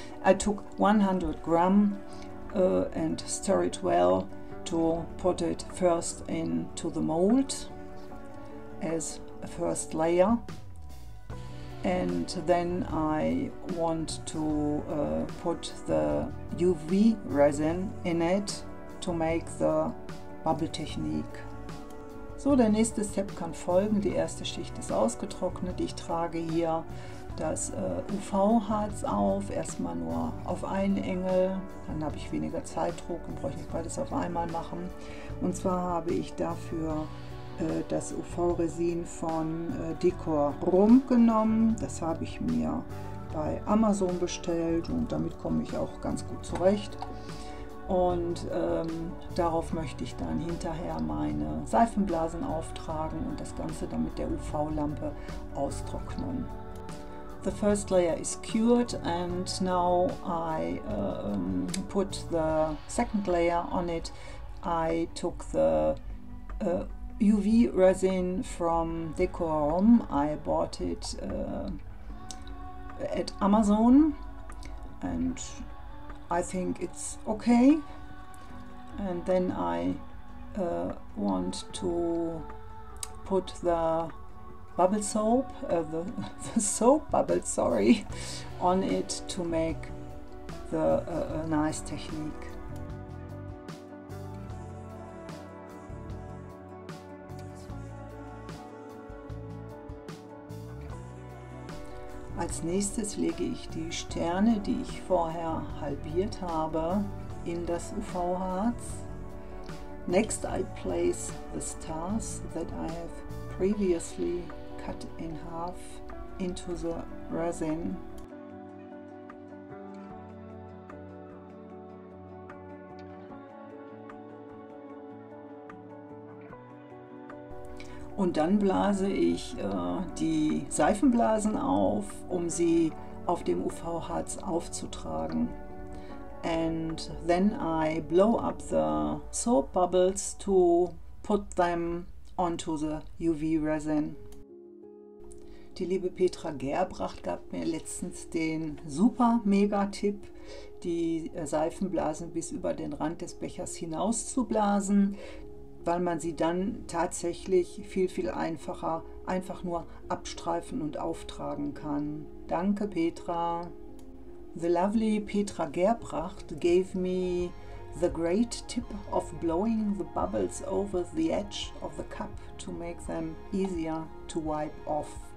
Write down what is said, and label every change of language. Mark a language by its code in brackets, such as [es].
[en] I took 100 gram and stir it well to put it first into the mold as a first layer. And then I want to put the UV resin in it to make the bubble technique. [de] So, der nächste Step kann folgen. Die erste Schicht ist ausgetrocknet. Ich trage hier das UV-Harz auf, erstmal nur auf einen Engel, dann habe ich weniger Zeitdruck und brauche nicht beides auf einmal machen. Und zwar habe ich dafür das UV-Resin von Decor Rome genommen. Das habe ich mir bei Amazon bestellt und damit komme ich auch ganz gut zurecht. Und darauf möchte ich dann hinterher meine Seifenblasen auftragen und das Ganze dann mit der UV-Lampe austrocknen. [en] The first layer is cured and now I put the second layer on it. I took the UV resin from Decorum. I bought it at Amazon and I think it's okay. And then I want to put the bubble soap, the soap bubble, sorry, on it to make a nice technique. [de] Als nächstes lege ich die Sterne, die ich vorher halbiert habe, in das UV-Harz. [en] Next, I place the stars that I have previously cut in half into the resin. [de] Und dann blase ich die Seifenblasen auf, um sie auf dem UV-Harz aufzutragen. [en] And then I blow up the soap bubbles to put them onto the UV resin. Die liebe Petra Gerbracht gab mir letztens den super mega Tipp, die Seifenblasen bis über den Rand des Bechers hinaus zu blasen, weil man sie dann tatsächlich viel, viel einfacher einfach nur abstreifen und auftragen kann. Danke, Petra. The lovely Petra Gerbracht gave me the great tip of blowing the bubbles over the edge of the cup to make them easier to wipe off.